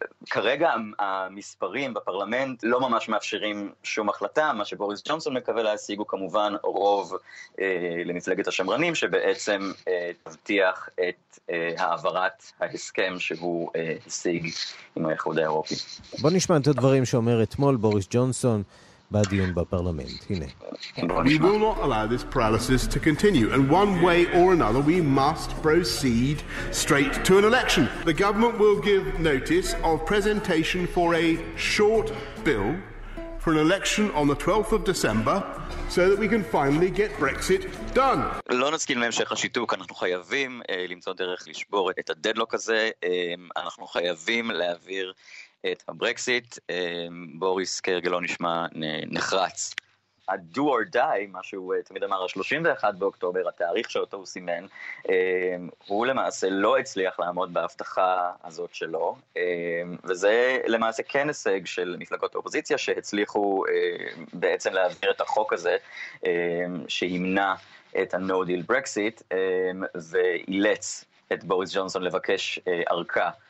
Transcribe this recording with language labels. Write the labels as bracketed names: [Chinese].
[Hebrew] כרגע המספרים בפרלמנט לא ממש מאפשרים שום החלטה, מה שבוריס ג'ונסון מקווה להשיג הוא כמובן רוב למפלגת השמרנים, שבעצם תבטיח את העברת ההסכם שהוא השיג עם האיחוד האירופי. בוא נשמע את הדברים שאומר אתמול בוריס ג'ונסון בדיון בפרלמנט, הנה. [English] We will not allow this paralysis to continue, and one way or another we must proceed straight to an election. The government will give notice of presentation for a short bill for an election on the 12th of December so that we can finally get Brexit done. [Hebrew] לא נסכים להמשך השיתוק, אנחנו חייבים למצוא דרך לשבור את הדדלוק הזה, אנחנו חייבים להעביר את הברקסיט. בוריס כרגלו נשמע נחרץ. ה- [English] do or die, [Hebrew] מה שהוא תמיד אמר, ה-31 באוקטובר, התאריך שאותו הוא סימן, הוא למעשה לא הצליח לעמוד בהבטחה הזאת שלו, וזה למעשה כן הישג של מפלגות האופוזיציה, שהצליחו בעצם להעביר את החוק הזה, שימנע את ה-no deal Brexit, ואילץ את בוריס ג'ונסון לבקש ארכה